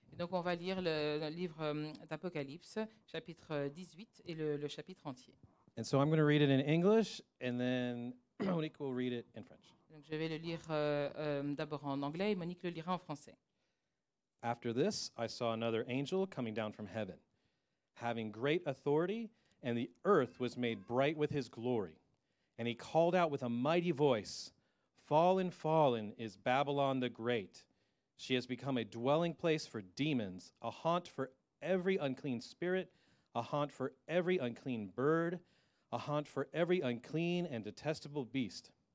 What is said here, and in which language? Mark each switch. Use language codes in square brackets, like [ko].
[fr] Et donc, on va lire le livre d'Apocalypse, chapitre 18, et le chapitre entier. [en] And so I'm going to read it in English, and then Monique will read it in French. [fr] Donc je vais le lire d'abord en anglais et Monique le lira en français. [en] After this, I saw another angel coming down from heaven, having great authority, and the earth was made bright with his glory. And he called out with a mighty voice, "Fallen, fallen is Babylon the Great. She has become a dwelling place for demons, a haunt for every unclean spirit, a haunt for every unclean bird, a haunt for every unclean and detestable beast.